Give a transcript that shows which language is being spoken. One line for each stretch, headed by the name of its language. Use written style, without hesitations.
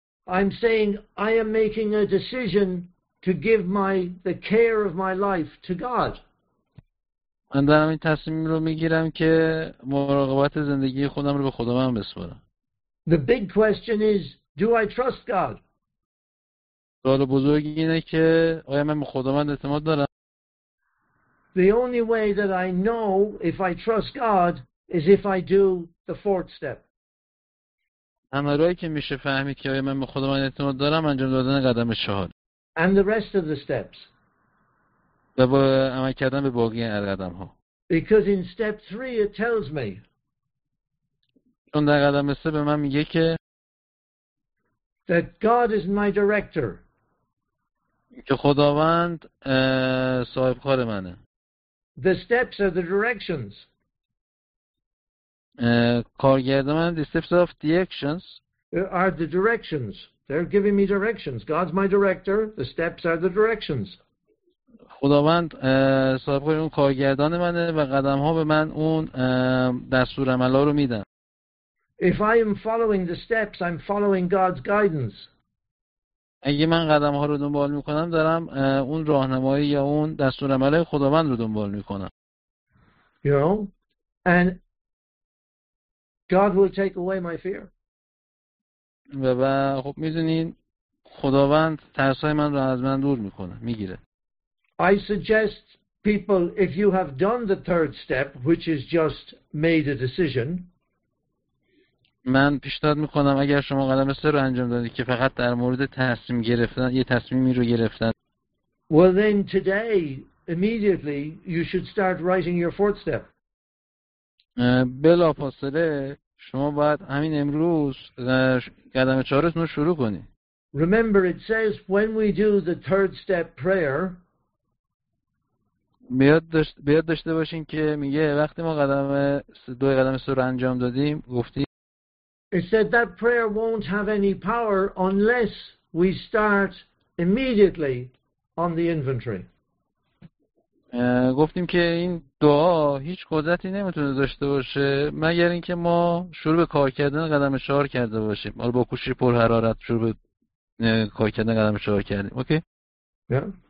English: I'm saying I am making a decision to give the care of my life to God.
Persian: من دارم این تصمیم رو میگیرم که مراقبت زندگی خودم رو به خداوند بسپارم.
English: The big question is, do I trust God?
Persian: سوال بزرگ اینه که آیا من به خداوند اعتماد دارم؟
English: The only way that I know if I trust God is if I do the fourth step.
Persian: تنها راهی که میشه فهمید که آیا من به خداوند اعتماد دارم انجام دادن قدم چهار.
English: And the rest of the steps.
Persian: و عمل کردن به باقی قدم ها.
English: Because in step 3 it tells me.
Persian: چون در قدم سه به من میگه که
English: that God is my director.
Persian: که خداوند صاحب کار منه.
English: The steps are the directions. کارگردان the steps of the actions are the directions. They're giving me directions. God's my director. The steps are the directions.
Persian: خداوند صاحب کار اون کارگردان منه و قدم ها به من اون دستور عمل ها رو میدن.
English: If I am following the steps, I'm following God's guidance.
Persian: اگه من قدم ها رو دنبال می کنم دارم اون راهنمایی یا اون دستور عمل خداوند رو دنبال می کنم.
English: You know? And God will take away my fear.
Persian: و خب می دونین خداوند ترس های من رو از من دور می کنه. می گیره.
English: I suggest people if you have done the third step which is just made a decision.
Persian: من پیشنهاد میکنم اگر شما قدم سه رو انجام دادید که فقط در مورد تصمیم گرفتن یه تصمیمی رو گرفتن.
English: Well then today immediately you should start writing your fourth step.
Persian: بلافاصله شما باید همین امروز قدم چهارتون رو شروع کنید.
English: Remember it says when we do the third step prayer.
Persian: بیاد داشته باشین که میگه وقتی ما قدم دو قدم سر انجام دادیم گفتی.
English: It said that prayer won't have any power unless we start immediately on the inventory.
Persian: گفتیم که این دعا هیچ قدرتی نمیتونه داشته باشه مگر اینکه ما شروع به کار کردن قدم چهار کرده باشیم. حالا با کوشش پر حرارت شروع به کار کردن قدم چهار کردیم.
English: Okay? Okay. Yeah.